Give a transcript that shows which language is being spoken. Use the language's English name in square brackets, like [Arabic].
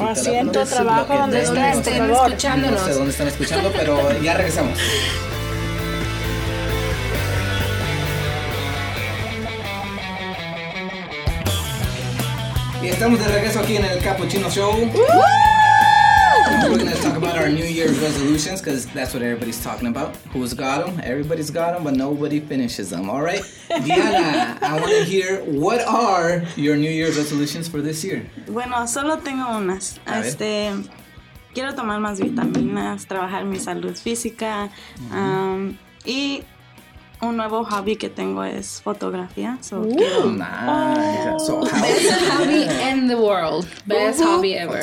[Spanish] teléfono. O asiento, trabajo, donde estén escuchándonos. No sé dónde están escuchando, pero ya regresamos. Y estamos de regreso aquí en el Cappuccino Show. ¡Woo! [English] We're going to talk about our New Year's resolutions because that's what everybody's talking about. Who's got them? Everybody's got them, but nobody finishes them. All right? Diana, I want to hear what are your New Year's resolutions for this year? [Spanish] Bueno, solo tengo unas. Quiero tomar más vitaminas, trabajar mi salud física. Y un nuevo hobby que tengo es fotografía. [English] So, nice. Oh. Best hobby in the world. Best hobby ever.